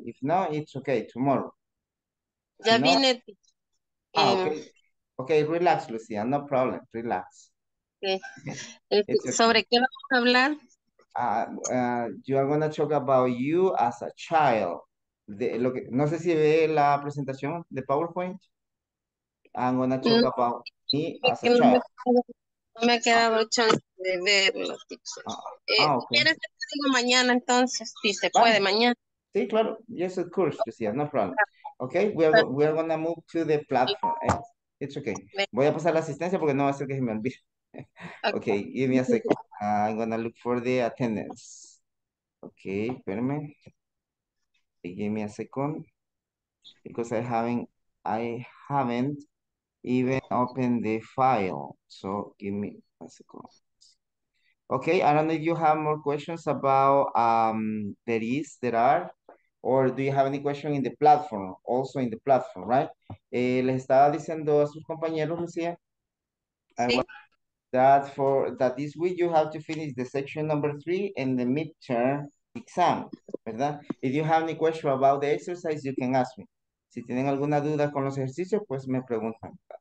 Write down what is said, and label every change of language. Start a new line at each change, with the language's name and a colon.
English: If not, it's okay, tomorrow.
Spanish: Ya vine.
English: Okay, relax, Lucía, no problem, relax.
Spanish: Okay. ¿Sobre qué vamos a hablar?
English: You are going to talk about you as a child.
Spanish: No sé si ve la presentación de PowerPoint.
English: I'm gonna talk about me as a child.
Spanish: Me ha quedado chance de verlo. ¿Quieres que te digo mañana entonces? Si se puede mañana. Sí, claro.
English: Yes, of course, Lucía. No problem. Okay, we are gonna move to the platform. It's okay.
Spanish: Voy a pasar la asistencia porque no va a ser que se me olvide.
English: Okay, give me a second. I'm gonna look for the attendance. Okay,
Spanish: espérame.
English: Give me a second. Because I haven't even open the file, so give me a second. Okay, I don't know if you have more questions about there are, or do you have any question in the platform, also in the platform, right?
Spanish: Les estaba diciendo a sus compañeros,
English: Lucía, that this week you have to finish the section number 3 and the midterm exam, ¿verdad? If you have any question about the exercise, you can ask me.
Spanish: Si tienen alguna duda con los ejercicios, pues me preguntan.